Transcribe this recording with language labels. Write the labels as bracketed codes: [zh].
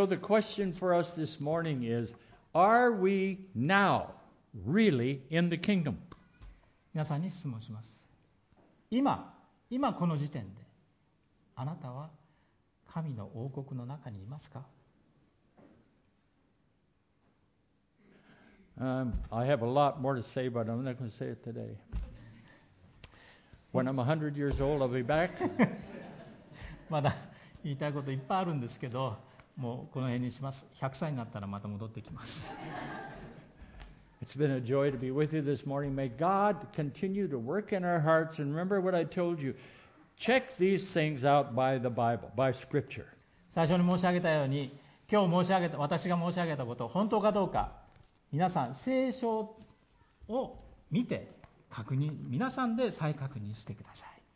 [en] So the question for us this morning is, are we now really in the kingdom? [ja] 皆さんに質問します。今この時点で、あなたは神の王国の中にいますか？ [en] I have a lot more to say, but I'm not going to say it today. When I'm 100 years old, I'll be back. [ja] まだ言いたいこといっぱいあるんですけど、もうこの辺にします。 100歳になったらまた戻ってきます。 [en] It's been a joy to be with you this morning. May God continue to work in our hearts. And remember what I told you. Check these things out by the Bible, by Scripture. [ja] 最初に申し上げたように、今日申し上げた、私が申し上げたこと、本当かどうか、皆さん、聖書を見て、確認、皆さんで再確認してください。